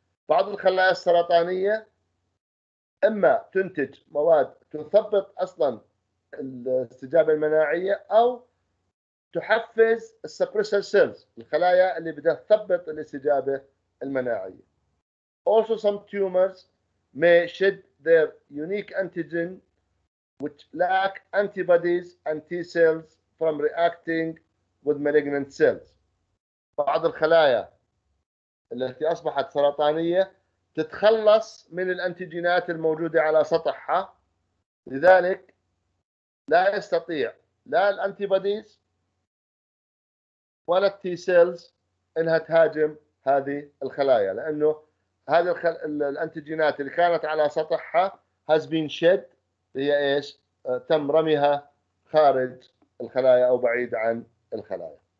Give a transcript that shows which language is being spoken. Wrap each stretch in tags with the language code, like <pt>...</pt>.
<ar>بعض الخلايا السرطانية إما تنتج مواد تثبط أصلاً الاستجابة المناعية أو تحفز السبريسر سيلز، الخلايا اللي بدها تثبط الاستجابة المناعية.</ar> <en>Also some tumors may shed their unique antigen which lack antibodies and T cells from reacting with malignant cells.</en> <ar>بعض الخلايا التي أصبحت سرطانية تتخلص من الأنتيجينات الموجودة على سطحها، لذلك لا يستطيع لا الأنتيبوديز ولا التي سيلز انها تهاجم هذه الخلايا، لانه هذه الانتيجينات اللي كانت على سطحها</ar> <en>has been shed،</en> <ar>هي ايش؟ تم رميها خارج الخلايا او بعيد عن الخلايا.</ar>